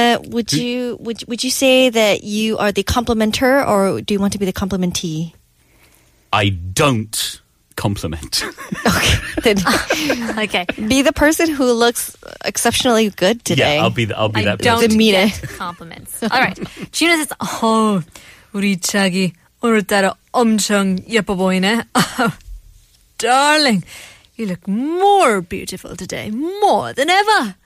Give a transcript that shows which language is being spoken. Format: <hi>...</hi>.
<en>Would you say that you are the complimenter, or do you want to be the complimentee? I don't compliment. Okay, then. Okay. Be the person who looks exceptionally good today. Yeah, I'll be that person. I don't get compliments. All right. Junho says,</en> <ko>Oh, 우리 자기 오늘따라 엄청 예뻐 보이네.</ko> <en>Darling. You look more beautiful today, more than ever.</en>